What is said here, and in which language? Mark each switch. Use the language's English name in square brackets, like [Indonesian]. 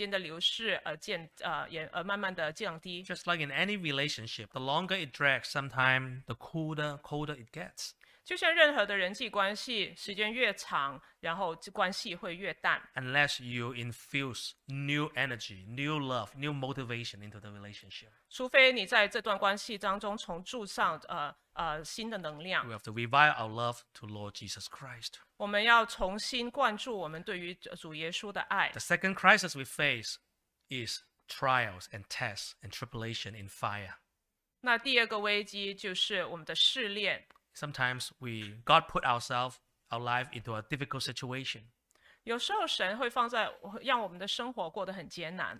[Chinese] 我们对于基督耶稣的爱随着时间的流逝而慢慢地降低。 [English] Just like in any relationship, the longer it drags, sometimes the colder it gets. [Chinese] 就像任何的人际关系, 时间越长, 然后关系会越淡。 [English] Unless you infuse new energy, new love, new motivation into the relationship. [Chinese] 除非你在这段关系当中重注上, 新的能量。 [English] We have to revive our love to Lord Jesus Christ. [Chinese] 我们要重新灌注我们对于主耶稣的爱。 [English] The second crisis we face is trials and tests and tribulation in fire. [Chinese] 那第二个危机就是我们的试炼。 [English] Sometimes we God put ourselves, our life into a difficult situation. [Chinese] 有时候神会放在, 让我们的生活过得很艰难。